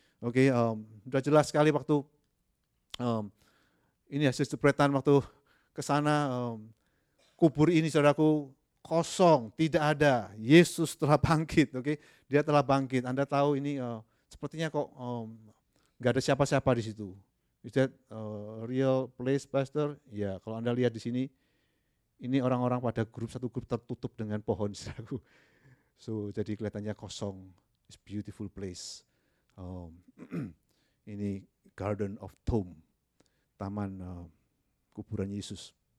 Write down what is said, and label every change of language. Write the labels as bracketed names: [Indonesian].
[Indonesian] Oke, sudah jelas sekali waktu ini ya, Sister Bretan waktu ke sana, kubur ini saudaraku kosong, tidak ada. Yesus telah bangkit, oke? Dia telah bangkit. Anda tahu ini sepertinya kok enggak ada siapa-siapa di situ. [English] Is that a real place, Pastor? [Indonesian] Ya, kalau Anda lihat di sini, ini orang-orang pada grup satu grup tertutup dengan pohon, saudaraku. So, jadi kelihatannya kosong. [English] It's a beautiful place. [Indonesian] ini Garden of Tomb, taman kuburan Yesus.